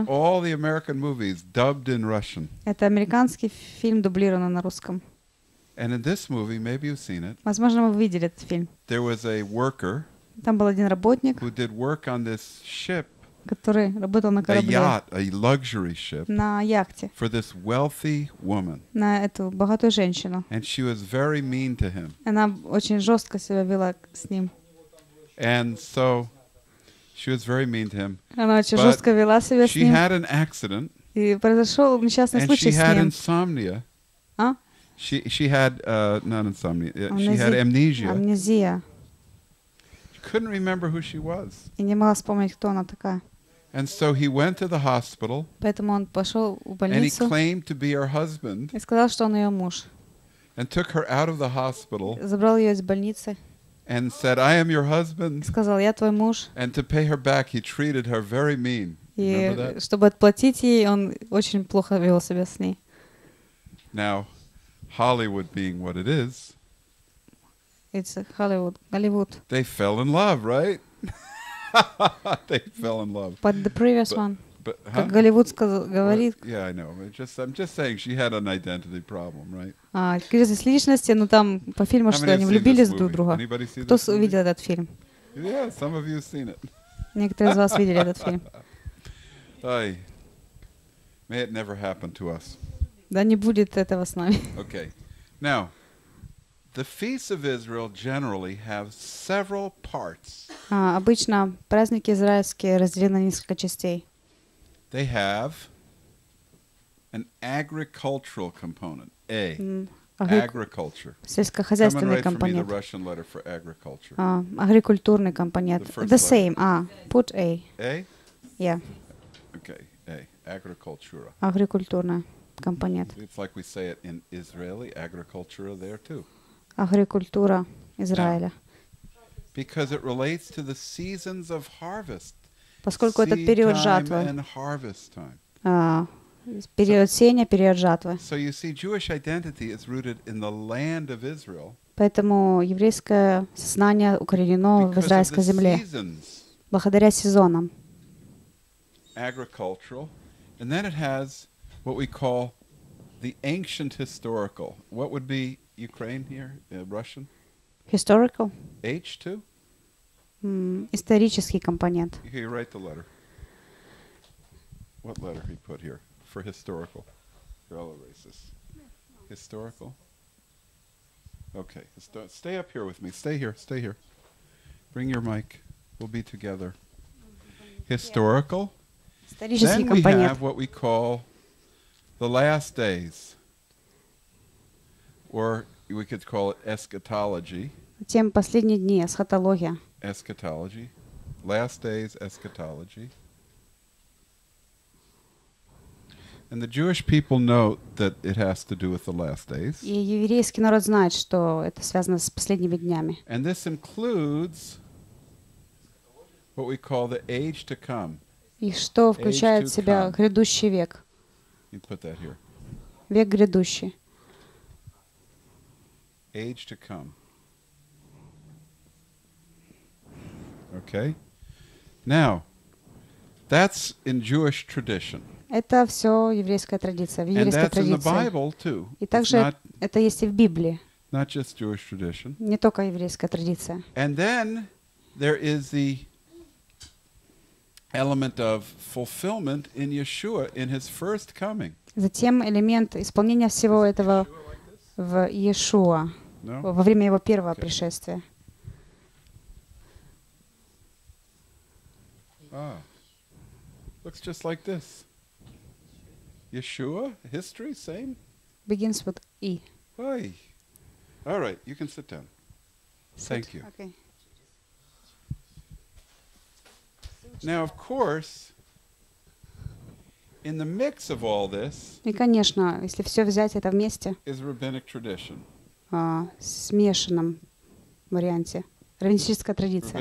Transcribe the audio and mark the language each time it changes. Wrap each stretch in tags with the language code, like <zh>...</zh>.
<en>Here is all the American movies dubbed in Russian.</en> <ru>Это американский фильм дублирован на русском.</ru> <en>And in this movie, maybe you've seen it.</en> <ru>Возможно, вы видели этот фильм.</ru> <en>There was a worker.</en> <ru>Там был один работник.</ru> <en>Who did work on this ship?</en> <ru>Который работал на корабле.</ru> <en>A yacht, a luxury ship.</en> <ru>На яхте.</ru> <en>For this wealthy woman.</en> <ru>На эту богатую женщину.</ru> <en>And she was very mean to him.</en> <ru>Она очень жестко себя вела с ним.</ru> <en>And so, she was very mean to him.</en> <ru>Она очень жестко вела себя с ним.</ru> <en>She had an accident.</en> <ru>И произошел несчастный случай с ним.</ru> <en>And she had insomnia. She had not insomnia. She had amnesia.</en> <ru>Амнезия.</ru> <en>She couldn't remember who she was.</en> <ru>И не могла вспомнить, кто она такая.</ru> <en>And so he went to the hospital.</en> <ru>Поэтому он пошел в больницу.</ru> <en>And he claimed to be her husband.</en> <ru>И сказал, что он ее муж.</ru> <en>And took her out of the hospital.</en> <ru>Забрал ее из больницы.</ru> <en>And said, "I am your husband."</en> <ru>И сказал, я твой муж.</ru> <en>And to pay her back, he treated her very mean.</en> <ru>И чтобы отплатить ей, он очень плохо вел себя с ней.</ru> <en>Now. Hollywood being what it is. It's Hollywood. They fell in love, right? They fell in love. But the previous one. But, huh?</en> <ru>Как Голливуд говорит.</ru> <en>Yeah, I know. I'm just saying she had an identity problem, right?</en> <ru>Кризис личности, но там по фильму, что они влюбились друг в друга.</ru> <en>Anybody see this movie?</en> <ru>Кто видел этот фильм?</ru> <en>Yeah, some of you seen it.</en> <ru>Некоторые из вас видели этот фильм.</ru> <en>Ay, may it never happen to us.</en> <ru>Да не будет этого с нами.</ru> <en>Okay. Now, the feasts of Israel generally have several parts.</en> <ru>Обычно праздники израильские разделены на несколько частей.</ru> <en>They have an agricultural component. A. Agriculture.</en> <ru>Сельскохозяйственный компонент.</ru> <en>Someone write for me the Russian letter for agriculture.</en> <ru>Агрикультурный компонент.</ru> <en>The same. Put A. A. Yeah. Okay. A. Agricultura.</en> <ru>Агрикультурная. Компонент.</ru> <en>It's like we say it in Israeli agriculture there too.</en> <ru>Агрикультура Израиля.</ru> <en>Because it relates to the seasons of harvest.</en> <ru>Поскольку этот период жатвы.</ru> <en>Seed time and harvest time.</en> <ru>Период сеяния, период жатвы.</ru> <en>So you see, Jewish identity is rooted in the land of Israel.</en> <ru>Поэтому еврейское сознание укоренено в израильской земле. Благодаря сезонам.</ru> <en>Agricultural, and then it has what we call the ancient historical. What would be Ukraine here, Russian? Historical. H too?</en> <ru>Исторический компонент.</ru> <en>Here, you write the letter. What letter he put here for historical? Here, I'll erase this. Historical. Okay, stay up here with me. Stay here. Bring your mic. We'll be together. Historical.</en> <ru>Исторический</ru> <en>then</en> <ru>компонент.</ru> <en>Then we have what we call the last days, or we could call it eschatology.</en> <ru>Затем последние дни, эсхатология.</ru> <en>Eschatology, last days, eschatology. And the Jewish people know that it has to do with the last days.</en> <ru>И еврейский народ знает, что это связано с последними днями.</ru> <en>And this includes what we call the age to come.</en> <ru>И что включает в себя грядущий век?</ru> <en>You put that here.</en> <ru>Век грядущий.</ru> <en>Age to come. Okay. Now, that's in Jewish tradition.</en> <ru>Это все еврейская традиция. В еврейской</ru> <en>And that's</en> <ru>традиции.</ru> <en>In the Bible too.</en> <ru>И также это есть и в Библии.</ru> <en>Not just Jewish tradition.</en> <ru>Не только еврейская традиция.</ru> <en>And then there is the element of fulfillment in Yeshua in his first coming.</en> <ru>Затем элемент исполнения всего этого в Иешуа во время его первого пришествия.</ru> <en>Ah, looks just like this. Yeshua, history, same? Begins with E. Why? All right, you can sit down. Sit. Thank you. Okay. Now, of course, in the mix of all this,</en> <ru>и, конечно, если все взять это вместе,</ru> <en>is rabbinic tradition.</en> <ru>Смешанном варианте. Раввинистическая традиция.</ru>